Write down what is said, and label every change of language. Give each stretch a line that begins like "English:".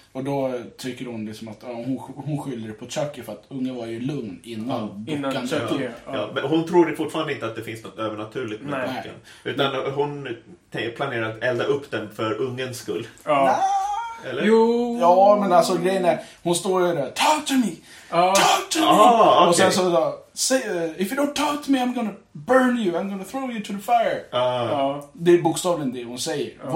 Swedish: Och då tycker hon liksom att hon skyller på Chucky för att ungen var ju lugn innan Chucky. Ja. Ja, men hon tror fortfarande inte att det finns något övernaturligt med boken. Utan hon planerar att elda upp den för ungens skull. Ja. Eller? Jo. Ja, men alltså grejen är, hon står ju där,
English: talk to me! Talk to me! Okay.
Swedish: Och sen så då,
English: if you don't talk to me, I'm gonna burn you, I'm gonna throw you to the fire.
Swedish: Det är bokstavligen det hon säger.